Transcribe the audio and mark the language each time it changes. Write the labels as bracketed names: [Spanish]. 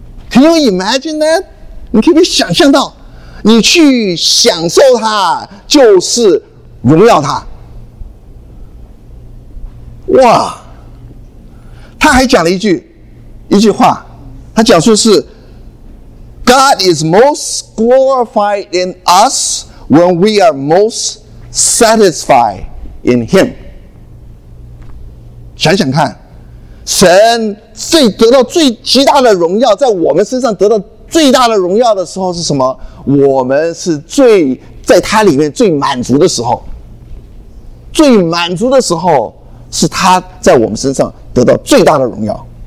[English] Can you imagine that？ [Chinese] 你可以想象到，你去享受他，就是荣耀他。哇！他还讲了一句话，他讲说是。 [English] God is most glorified in us when we are most satisfied in Him. [Chinese] 想想看，神最得到最极大的荣耀，在我们身上得到最大的荣耀的时候是什么？我们是最在他里面最满足的时候，最满足的时候是他在我们身上得到最大的荣耀。